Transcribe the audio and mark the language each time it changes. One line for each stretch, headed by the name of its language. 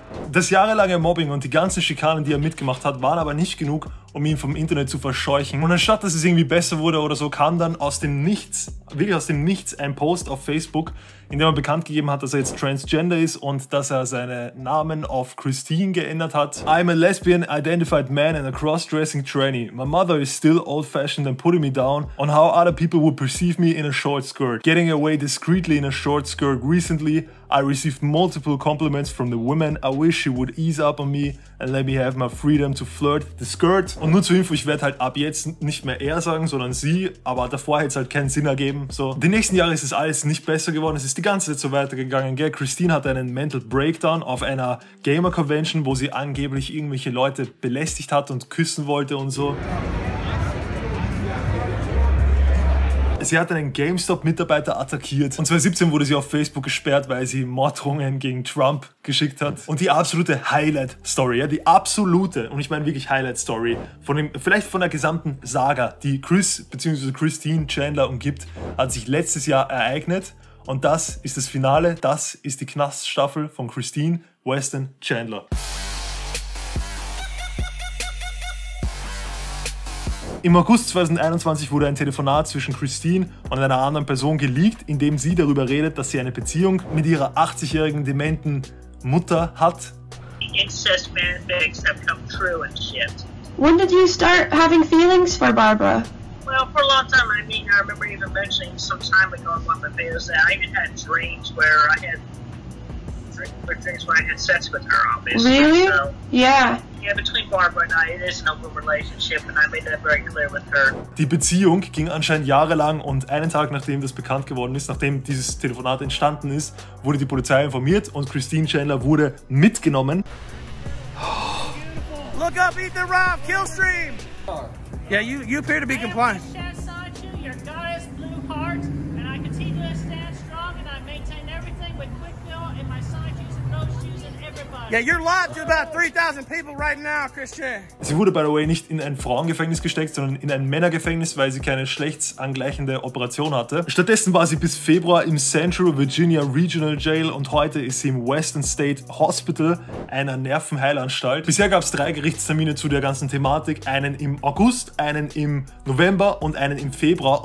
German: Das jahrelange Mobbing und die ganzen Schikanen, die er mitgemacht hat, waren aber nicht genug, um ihn vom Internet zu verscheuchen. Und anstatt, dass es irgendwie besser wurde oder so, kam dann aus dem Nichts, wirklich aus dem Nichts, ein Post auf Facebook, in dem er bekannt gegeben hat, dass er jetzt transgender ist und dass er seinen Namen auf Christine geändert hat.
English: I'm a lesbian identified man and a cross-dressing tranny. My mother is still old-fashioned and putting me down on how other people would perceive me in a short skirt. Getting away discreetly in a short skirt recently, I received multiple compliments from the women. I wish she would ease up on me and let me have my freedom to flirt the skirt.
German: Und nur zur Info, ich werde halt ab jetzt nicht mehr er sagen, sondern sie, aber davor hätte es halt keinen Sinn ergeben. So, die nächsten Jahre ist es alles nicht besser geworden, es ist die ganze Zeit so weitergegangen, gell? Christine hatte einen Mental Breakdown auf einer Gamer-Convention, wo sie angeblich irgendwelche Leute belästigt hat und küssen wollte und so. Sie hat einen GameStop-Mitarbeiter attackiert und 2017 wurde sie auf Facebook gesperrt, weil sie Morddrohungen gegen Trump geschickt hat. Und die absolute Highlight-Story, ja, die absolute, und ich meine wirklich Highlight-Story, vielleicht von der gesamten Saga, die Chris bzw. Christine Chandler umgibt, hat sich letztes Jahr ereignet. Und das ist das Finale, das ist die Knaststaffel von Christine Weston Chandler. Im August 2021 wurde ein Telefonat zwischen Christine und einer anderen Person geleakt, in dem sie darüber redet, dass sie eine Beziehung mit ihrer 80-jährigen dementen Mutter hat.
English: Incest manifests have come true and shit. When did you start having feelings for Barbara? Well, for a long time. I mean, I remember even mentioning some time ago in one of the videos that I even had dreams where I had sex with her, obviously. Really? So, yeah. Yeah, between Barbara and I, it is an open relationship, and I made that very clear with her.
German: Die Beziehung ging anscheinend jahrelang, und einen Tag nachdem das bekannt geworden ist, nachdem dieses Telefonat entstanden ist, wurde die Polizei informiert und Christine Chandler wurde mitgenommen.
English: Look up, eat the rock, kill stream. Yeah, you appear to be compliant. I chastise you, your goddess blue heart, and I continue to stand strong, and I maintain everything with quick will and my side shoes and those shoes and everything. Yeah, you're live to about 3,000 people right now, Christian.
German: Sie wurde,
English: by the way,
German: nicht in ein Frauengefängnis gesteckt, sondern in ein Männergefängnis, weil sie keine geschlechtsangleichende Operation hatte. Stattdessen war sie bis Februar im Central Virginia Regional Jail und heute ist sie im Western State Hospital, einer Nervenheilanstalt. Bisher gab es 3 Gerichtstermine zu der ganzen Thematik, einen im August, einen im November und einen im Februar.